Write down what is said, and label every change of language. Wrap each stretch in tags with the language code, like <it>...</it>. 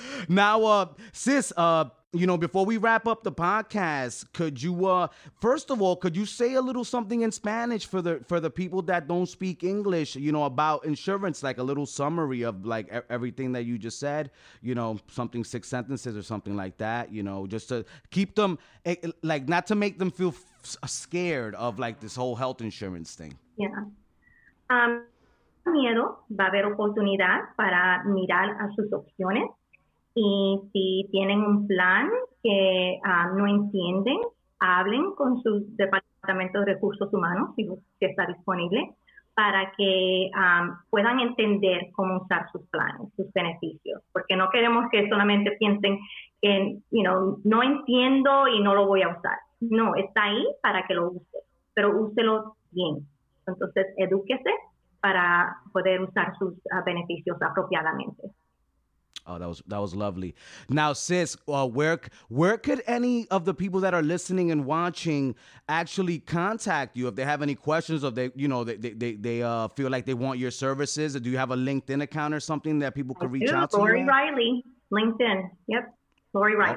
<en>Now, sis, you know, before we wrap up the podcast, could you, first of all, could you say a little something in Spanish for the people that don't speak English, you know, about insurance, like a little summary of like everything that you just said, you know, something, 6 sentences or something like that, you know, just to keep them, like, not to make them feel scared of like this whole health insurance thing. Yeah.</en> <es>Miedo, va a haber oportunidad para mirar a sus opciones. Y si tienen un plan que no entienden, hablen con su departamento de recursos humanos, si está disponible, para que puedan entender cómo usar sus planes, sus beneficios. Porque no queremos que solamente piensen que,</es> <en>you know,</en> <es>no entiendo y no lo voy a usar. No, está ahí para que lo use, pero úselo bien. Entonces, edúquese para poder usar sus beneficios apropiadamente.</es> <en>Oh, that was lovely. Now, sis, where could any of the people that are listening and watching actually contact you if they have any questions, or they feel like they want your services? Or do you have a LinkedIn account or something that people could reach out to? Lori Riley, LinkedIn. Yep. Lori Riley.</en>